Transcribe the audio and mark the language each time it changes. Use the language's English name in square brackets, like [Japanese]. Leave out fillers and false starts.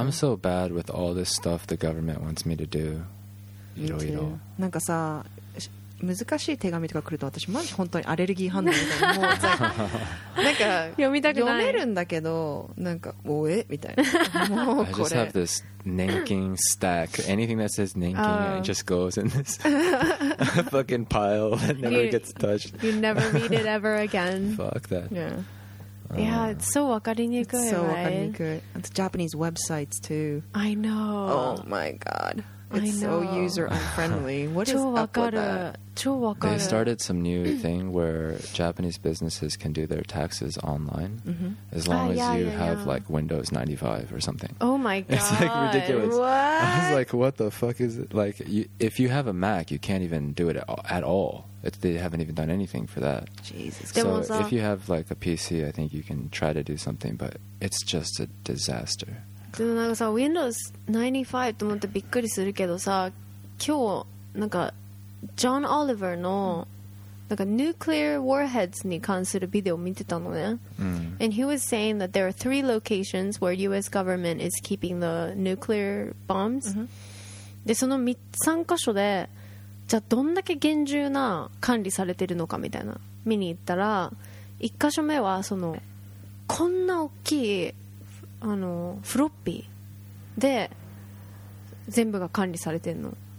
[English] I'm so bad with all this stuff the government wants me to do. Me too. [Japanese] なんかさ、難しい手紙とか来ると私マジ本当にアレルギー反応みたいな。もうなんか読めるんだけど、なんか、おえみたいな。もうこれ。 [English] I just have this ninking stack. Anything that says ninking, it just goes in this fucking pile that never gets touched. You never read it ever again. Fuck that. Yeah, it's so わかりにくい。 It's so わかりにくい。It's Japanese websites too. I know. Oh my god. It's so user unfriendly. What is up with that? They started some new thing where Japanese businesses can do their taxes online as long as you have like Windows 95 or something. Oh my god. It's like ridiculous. What? I was like, what the fuck is it? Like, if you have a Mac, you can't even do it at all. They haven't even done anything for that. Jesus. So if you have like a PC, I think you can try to do something, but it's just a disaster. [Japanese] でもなんかさ Windows 95と思ってびっくりするけどさ今日なんかジョン・オリバーのなんかニュークリア・ウォーヘッズに関するビデオを見てたのね、うん、 [English] and he was saying that there are three locations where US government is keeping the nuclear bombs、 [Japanese] うん、でその 3カ所でじゃあどんだけ厳重な管理されてるのかみたいな見に行ったら1カ所目はそのこんな大きいあのフロッピーで全部が管理されてるの。